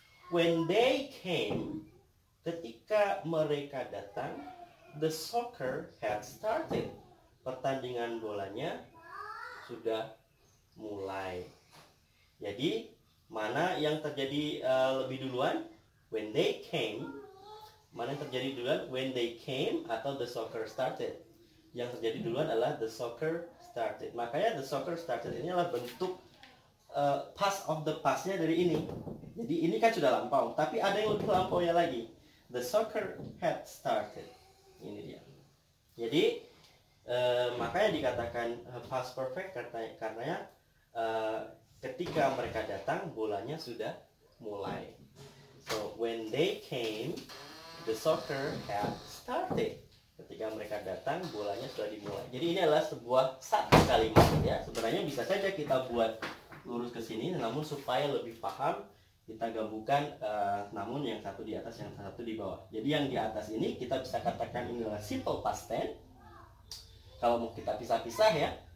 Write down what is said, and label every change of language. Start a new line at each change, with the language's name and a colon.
English: When they came,
Indonesian: ketika mereka datang,
English: the soccer had started.
Indonesian: Pertandingan bolanya sudah mulai. Jadi, mana yang terjadi lebih duluan?
English: When they came.
Indonesian: Mana yang terjadi duluan?
English: When they came
Indonesian: atau
English: the soccer started?
Indonesian: Yang terjadi duluan adalah
English: the soccer started.
Indonesian: Makanya the soccer started ini adalah bentuk
English: past of the past-
Indonesian: nya dari ini. Jadi ini kan sudah lampau, tapi ada yang lebih lampau ya lagi.
English: The soccer had started.
Indonesian: Ini dia. Jadi makanya dikatakan past perfect karena ketika mereka datang bolanya sudah mulai.
English: So when they came, the soccer had started.
Indonesian: Ketika mereka datang bolanya sudah dimulai. Jadi ini adalah sebuah satu kalimat ya. Sebenarnya bisa saja kita buat lurus ke sini, namun supaya lebih paham kita gabungkan namun yang satu di atas, yang satu di bawah. Jadi yang di atas ini kita bisa katakan ini adalah simple past tense. Kalau mau kita pisah-pisah ya,